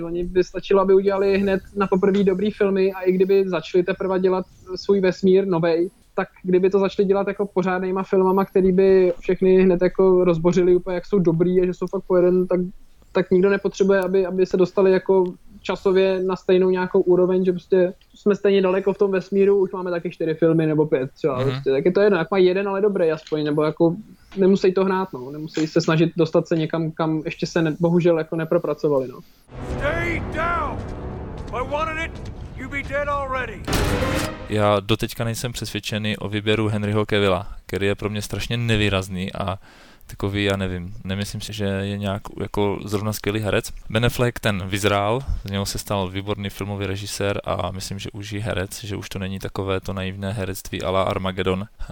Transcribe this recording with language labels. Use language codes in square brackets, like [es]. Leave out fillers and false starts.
[cs] Oni by stačilo, aby udělali hned na poprvé dobrý filmy a i kdyby začali teprve dělat svůj vesmír novej, tak kdyby to začali dělat jako pořádnýma filmama, který by všechny hned jako rozbořili úplně, jak jsou dobrý a že jsou fakt pojeden, tak nikdo nepotřebuje, aby se dostali jako časově na stejnou nějakou úroveň, že prostě jsme stejně daleko v tom vesmíru, už máme taky 4 filmy nebo 5 třeba. Mm-hmm. Prostě. Tak je to jedno, jak má jeden, ale dobrý aspoň, nebo jako nemusí to hrát, no. Nemusí se snažit dostat se někam, kam ještě se bohužel jako nepropracovali, no. [en] Stay down! I wanted it, you'd be dead already. [cs] Já doteďka nejsem přesvědčený o výběru Henryho Cavilla, který je pro mě strašně nevýrazný a takový, já nevím, nemyslím si, že je nějak jako zrovna skvělý herec. Ben Affleck ten vyzrál, z něho se stal výborný filmový režisér a myslím, že už je herec, že už to není takové to naivné herectví a la Armageddon.